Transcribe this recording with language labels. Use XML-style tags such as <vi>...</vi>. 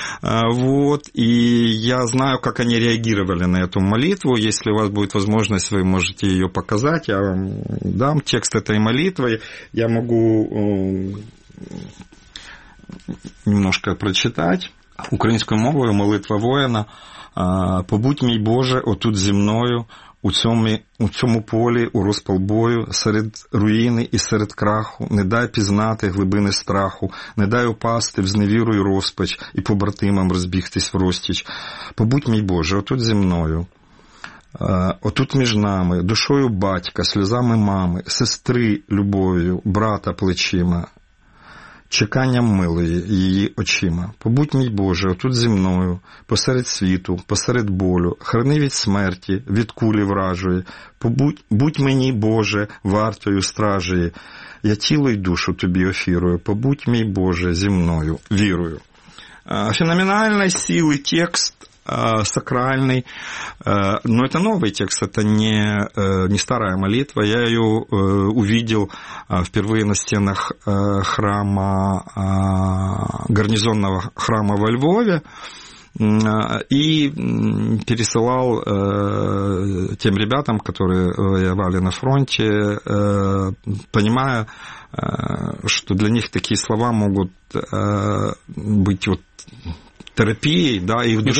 <ru>Вот, и я знаю, как они реагировали на эту молитву. Если у вас будет возможность, вы можете ее показать, я вам дам текст этой молитвы, я могу немножко прочитать украинскую мову.</ru> <uk>Молитва воина: «Побудь, мій Боже, отут зі мною, у цьому полі, у розпал бою, серед руїни і серед краху, не дай пізнати глибини страху, не дай упасти в зневіру й розпач і побратимам розбігтись в розтіч. Побудь, мій Боже, отут зі мною, отут між нами, душою батька, сльозами мами, сестри любов'ю, брата плечима, чеканням милої її очима. Побудь, мій Боже, отут зі мною, посеред світу, посеред болю, храни від смерті, від кулі вражої. Будь мені, Боже, вартою стражі, я тіло й душу тобі офірую. Побудь, мій Боже, зі мною, вірую». Феноменальна сила текст.</uk> <ru>Сакральный, но это новый текст, это не старая молитва. Я ее увидел впервые на стенах храма, гарнизонного храма во Львове, и пересылал тем ребятам, которые воевали на фронте, понимая, что для них такие слова могут быть вот терапией, да, их души.</ru>